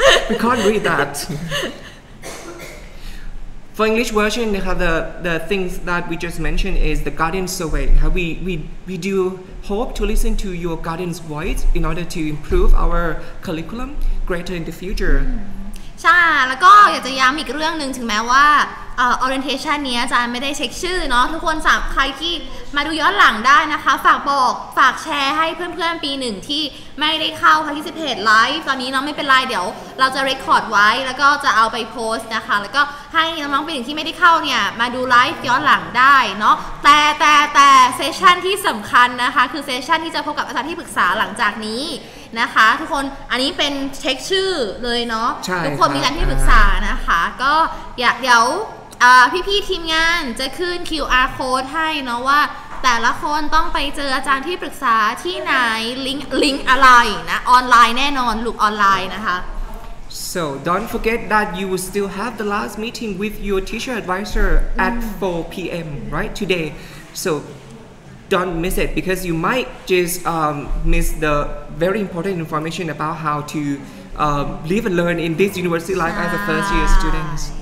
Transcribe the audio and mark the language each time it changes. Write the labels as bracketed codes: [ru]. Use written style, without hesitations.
[en] We can't read that For English version นะคะ the things that we just mentioned is the guardian survey ค่ะ we do hope to listen to your guardian's voice in order to improve our curriculum greater in the future [th] ใช่แล้วก็อยากจะย้ำอีกเรื่องนึงถึงแม้ว่าorientation เนี้ยอาจารย์ไม่ได้เช็คชื่อเนาะทุกคนสามใครที่มาดูย้อนหลังได้นะคะฝากบอกฝากแชร์ให้เพื่อนๆปี1ที่ไม่ได้เข้า [en] participate live [th] ตอนนี้เนาะไม่เป็นไรเดี๋ยวเราจะ record ไว้แล้วก็จะเอาไปโพสต์นะคะแล้วก็ให้น้องๆปี1ที่ไม่ได้เข้าเนี่ยมาดู live ย้อนหลังได้เนาะแต่ session ที่สำคัญนะคะคือ session ที่จะพบกับอาจารย์ที่ปรึกษาหลังจากนี้นะคะทุกคนอันนี้เป็นเช็คชื่อเลยเนาะทุ กคนมีการที่ปรึกษานะคะก็อยากเดี๋ยวพี่ๆทีมงานจะขึ้น QR code ให้เนาะว่าแต่ละคนต้องไปเจออาจารย์ที่ปรึกษาที่ไหนลิงก์อะไรนะออนไลน์แน่นอนลูกออนไลน์นะคะ [en] So don't forget that you will still have the last meeting with your teacher advisor at 4 PM right today soDon't miss it because you might just miss the very important information about how to live and learn in this university life as a first year student.